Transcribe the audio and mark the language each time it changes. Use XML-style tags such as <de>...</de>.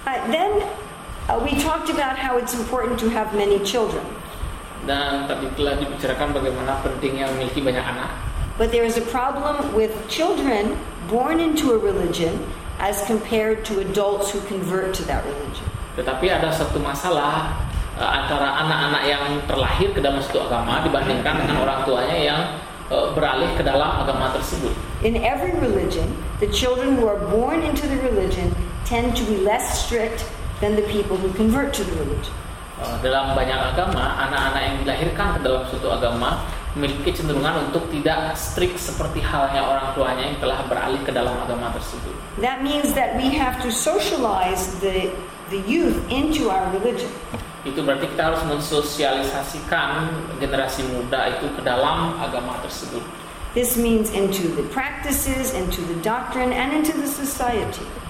<en>Then we talked about how it's important to have many children.</en> <id>Dan tadi telah dibicarakan bagaimana pentingnya memiliki banyak anak.</id> <en>But there is a problem with children born into a religion as compared to adults who convert to that religion.</en> <id>Tetapi ada satu masalah antara anak-anak yang terlahir ke dalam satu agama dibandingkan dengan orang tuanya yang beralih ke dalam agama tersebut.</id> <en>In every religion, the children who are born into the religion tend to be less strict than the people who convert to the religion.</en> <id>Dalam banyak agama, anak-anak yang dilahirkan ke dalam suatu agama memiliki kecenderungan untuk tidak strict seperti halnya orang tuanya yang telah beralih ke dalam agama tersebut.</id> <en>That means that we have to socialize the youth into our religion.</en> <id>Itu berarti kita harus mensosialisasikan generasi muda itu ke dalam agama tersebut.</id> <en>This means into the practices, into the doctrine, and into the society.</en>